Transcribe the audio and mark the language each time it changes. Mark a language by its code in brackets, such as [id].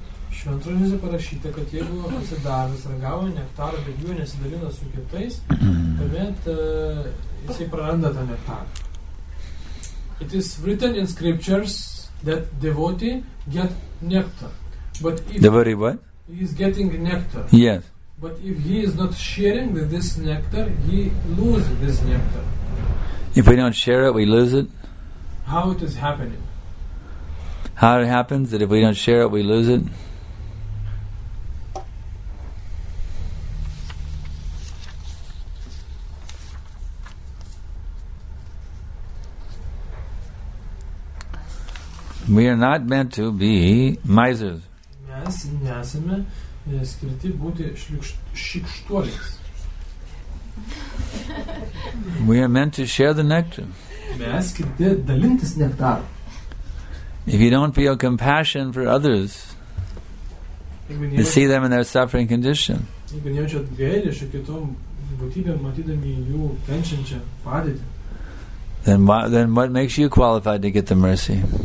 [lt] Šventrožiuose parašyta, kad jeigu atsidavęs ragavo nektarą, bet jų nesidalina su kitais, tuomet jisai praranda tą nektarą. [en] It is written in scriptures that devotee get nectar. But if devotee what? He is getting nectar. Yes. But if he is not sharing with this nectar, he loses this nectar. If we don't share it, we lose it? How it is happening? How it happens that if we don't share it, we lose it? We are not meant to be misers. [lt] Mes nesame skirti būti šlykštuoliais. [en] We are meant to share the nectar. [lt] Mes skirti dalintis nektarą. [en] If you don't feel compassion for others, to see them in their suffering condition, [lt] jeigu nejaučiat gailesčio kitom būtybėm, matydami jų kenčiančią padėtį, [en] Then what makes you qualified to get the mercy?